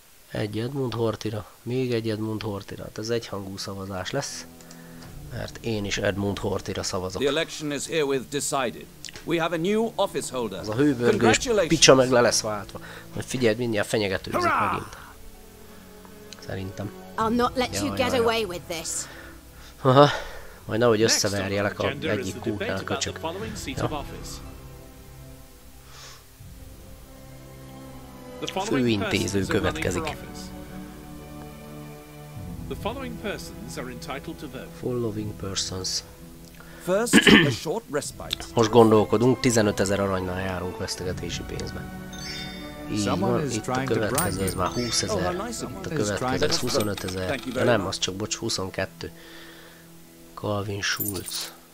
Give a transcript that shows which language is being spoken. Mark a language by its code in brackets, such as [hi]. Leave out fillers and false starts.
[hu] Egy Edmund Hortira, még egy Edmund Hortira. Hát ez egyhangú szavazás lesz, mert én is Edmund Hortira szavazok. [en] The election is herewith decided. We have a new office holder. [hu] Az a hőbörgős picsa meg le lesz váltva. Majd figyeld, mindjárt fenyegetőzik megint. Szerintem. [en] I'll not let you get away with this. Aha. [hu] Majd nehogy összeverjelek a egyik kútnál köcsök. Ja. Főintéző következik. [en] The following persons are entitled to vote. Following persons. First, a short respite. [hu] Most gondolkodunk, 15,000 aranynal járunk vesztegetési pénzben. Így van, itt a következő, ez már 20,000. Itt a következő, ez 25,000. De nem, az csak, bocs, 22. Calvin Schulz.